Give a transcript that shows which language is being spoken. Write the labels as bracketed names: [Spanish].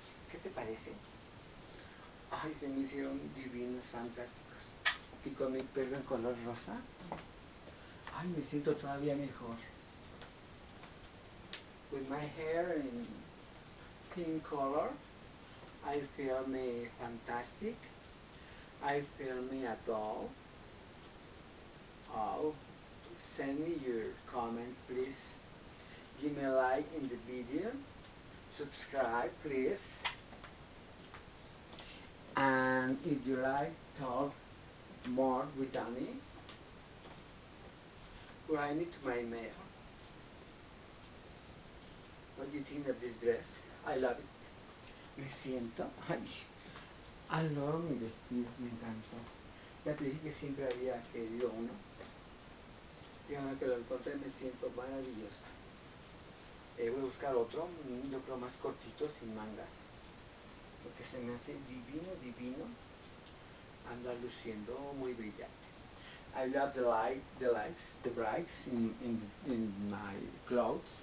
[Spanish] ¿Qué te parece? Ay, se me hicieron divinos, fantásticos. Y con mi pelo en color rosa, ay, me siento todavía mejor. [English] With my hair in pink color, I feel me fantastic. I feel me a doll. Oh, send me your comments, please. Give me a like in the video. Subscribe, please. And if you like, talk more with Danny. Write me to my mail. What do you think of this dress? I love it. [Spanish] Me siento, ay, adoro mi vestido, me encantó. Ya te dije que siempre había querido uno. Y ahora que lo encontré me siento maravillosa. Voy a buscar otro, yo creo más cortito, sin mangas. Porque se me hace divino, divino andar luciendo muy brillante. [English] I love the light, the lights, the brights in my clothes.